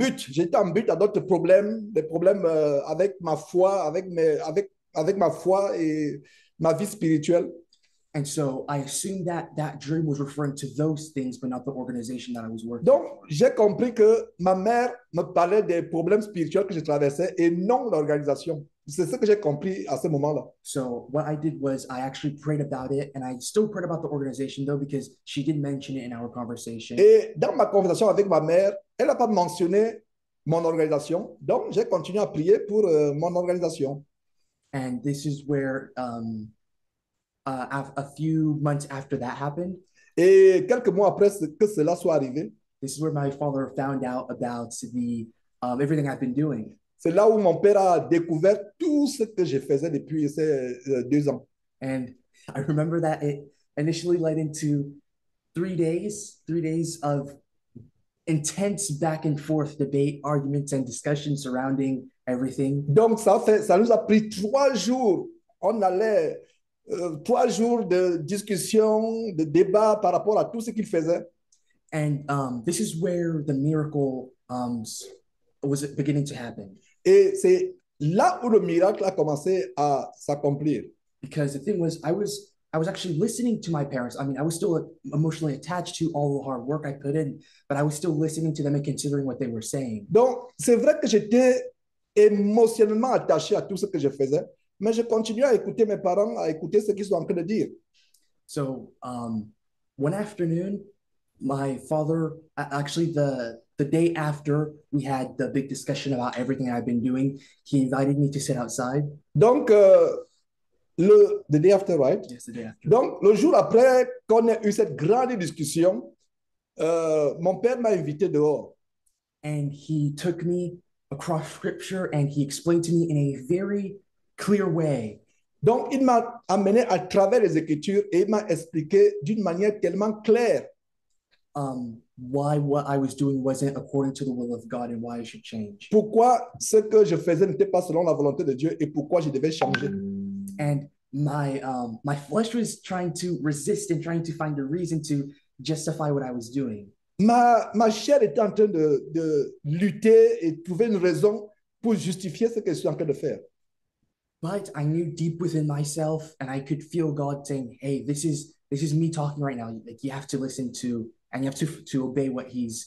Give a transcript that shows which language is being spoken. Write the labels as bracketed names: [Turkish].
[French] J'étais en but à d'autres problèmes, des problèmes avec ma foi, avec ma foi et ma vie spirituelle. [English] And so I assumed that dream was referring to those things, but not the organization that I was working. [French] Donc j'ai compris que ma mère me parlait des problèmes spirituels que je traversais et non l'organisation. C'est ce que j'ai compris à ce moment-là. [English] So what I did was I actually prayed about it, and I still prayed about the organization though, because she did mention it in our conversation. [French] Et dans ma conversation avec ma mère, elle n'a pas mentionné mon organisation, donc j'ai continué à prier pour mon organisation. [English] And this is where a few months after that happened. [French] Et quelques mois après que cela soit arrivé. [English] This is where my father found out about the everything I've been doing. [French] C'est là où mon père a découvert tout ce que je faisais depuis ces 2 ans. [English] And I remember that it initially led into three days of intense back and forth debate, arguments and discussions surrounding everything. [French] Donc ça nous a pris 3 jours. On allait 3 jours de discussion, de débat par rapport à tout ce qu'il faisait. [English] And this is where the miracle was beginning to happen. [French] Et c'est là où le miracle a commencé à s'accomplir. [English] Because the thing was, I was actually listening to my parents. I mean, I was still emotionally attached to all the hard work I put in, but I was still listening to them and considering what they were saying. [French] Donc, c'est vrai que j'étais émotionnellement attaché à tout ce que je faisais, mais je continuais à écouter mes parents, à écouter ce qu'ils sont en train de dire. [English] So, one afternoon, my father, actually the day after we had the big discussion about everything I've been doing, he invited me to sit outside. [French] Donc, [English] the day after, right? Yes, the day after. [French] Donc, le jour après qu'on a eu cette grande discussion, mon père m'a invité dehors. [English] And he took me across scripture and he explained to me in a very clear way. [French] Donc, il m'a amené à travers les Écritures et il m'a expliqué d'une manière tellement claire [English] why what I was doing wasn't according to the will of God and why I should change. [French] Pourquoi ce que je faisais n'était pas selon la volonté de Dieu et pourquoi je devais changer. [English] And my flesh was trying to resist and trying to find a reason to justify what I was doing. [French] Ma chair est en train de lutter et trouver une raison pour justifier ce que je suis en train de faire. [English] But I knew deep within myself, and I could feel God saying, "Hey, this is me talking right now. Like you have to listen to, and you have to obey what He's